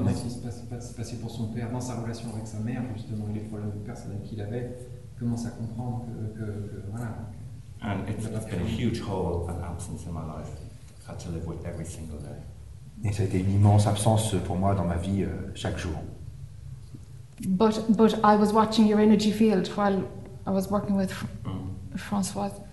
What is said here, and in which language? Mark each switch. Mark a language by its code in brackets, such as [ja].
[fr] Ce qui se passait pour son père dans sa relation avec sa mère, justement les problèmes personnels qu'il avait, il commence à comprendre que voilà. [en] And it's been a huge hole and absence in my life. I had to live with every single day. [fr] Et ça a été une immense absence pour moi dans ma vie chaque jour. [en] But I was watching your energy field while I was working with Francois.